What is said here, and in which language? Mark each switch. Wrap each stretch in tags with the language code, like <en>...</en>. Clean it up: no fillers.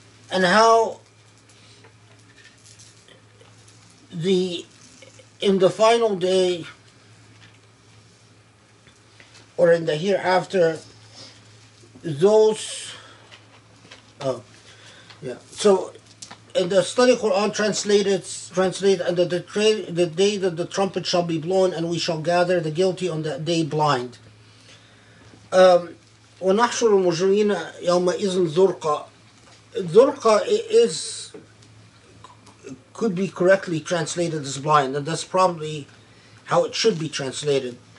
<en>And how the in the final day or in the hereafter, those so in the study Quran translated under the day that the trumpet shall be blown and we shall gather the guilty on that day blind.</en> <ar>ونحشر المجرمين يومئذ زرقا.</ar> <en>زرقا is could be correctly translated as blind, and that's probably how it should be translated.</en>